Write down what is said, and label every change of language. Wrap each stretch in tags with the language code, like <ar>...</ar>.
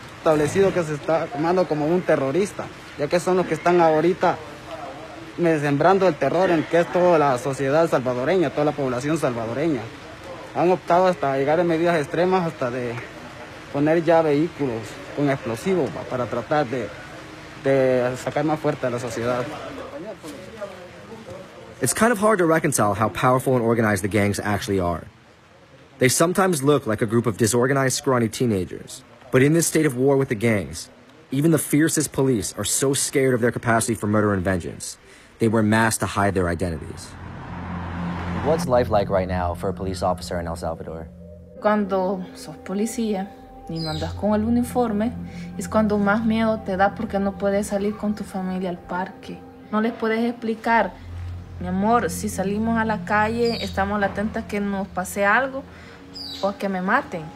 <es>Establecido que se está tomando como un terrorista, ya que son los que están ahorita sembrando el terror en que es toda la sociedad salvadoreña, toda la población salvadoreña. Han optado hasta llegar a medidas extremas, hasta de poner ya vehículos con explosivos para tratar de sacar más fuerte a la sociedad.</es> <en>It's kind of hard to reconcile how powerful and organized the gangs actually are. They sometimes look like a group of disorganized, scrawny teenagers. But in this state of war with the gangs, even the fiercest police are so scared of their capacity for murder and vengeance, they wear masks to hide their identities. What's life like right now for a police officer in El Salvador?</en> <es>Cuando sos policía y no andas con el uniforme, es cuando más miedo te da porque no puedes salir con tu familia al parque. No les puedes explicar Mi amor, si salimos a la calle, estamos latentas a que nos pase algo o a que me maten.</es>